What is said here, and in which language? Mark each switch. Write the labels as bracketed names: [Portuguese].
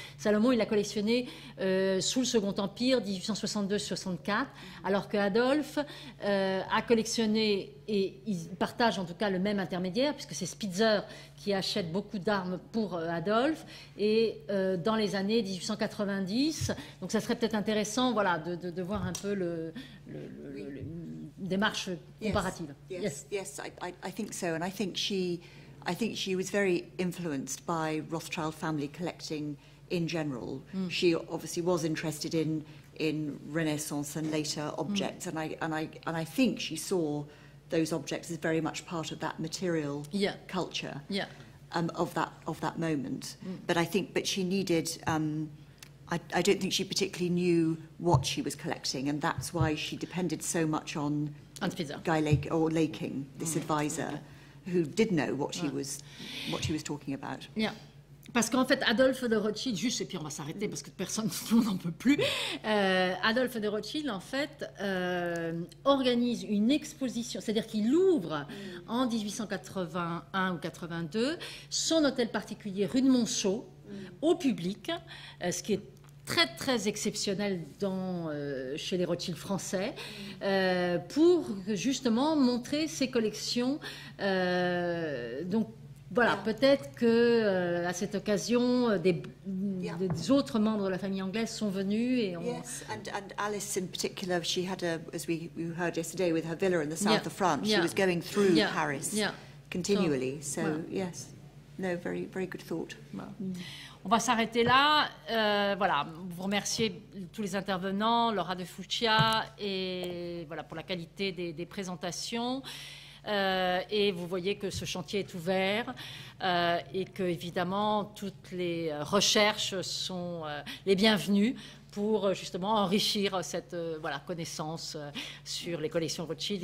[French] Salomon, il a collectionné sous le Second Empire, 1862-64, alors que Adolphe a collectionné, et il partage en tout cas le même intermédiaire, puisque c'est Spitzer qui achète beaucoup d'armes pour Adolphe, et dans les années 1890, donc ça serait peut-être intéressant, voilà, de voir un peu le démarche comparative. [English] Yes, I think so, and I think she was very influenced by Rothschild family collecting in general. Mm. She obviously was interested in Renaissance and later objects, mm. and I think she saw those objects as very much part of that material yeah. culture yeah. Of that moment. Mm. But she needed. I don't think she particularly knew what she was collecting, and that's why she depended so much on Guy Lake or Laking, this advisor, okay. who did know what she was, what she was talking about. Yeah. [French] Parce qu'en fait, Adolphe de Rothschild, juste, et puis on va s'arrêter parce que personne n'en peut plus. Adolphe de Rothschild, en fait, organise une exposition, c'est-à-dire qu'il ouvre en 1881 ou 82 son hôtel particulier rue de Monceau au public, ce qui est très, très exceptionnel chez les Rothschild français, pour justement montrer ses collections. Donc, voilà, yeah. peut-être que à cette occasion, des autres membres de la famille anglaise sont venus et ont. [English] Yes, and Alice in particular, she had a, as we heard yesterday, with her villa in the south of France, she was going through Paris continually. So, yes. No, very, very good thought. [French] On va s'arrêter là. Voilà, vous remercier tous les intervenants, Laura de Fuccia, et voilà pour la qualité des présentations. Et vous voyez que ce chantier est ouvert et que, évidemment, toutes les recherches sont les bienvenues pour justement enrichir cette connaissance sur les collections Rothschild.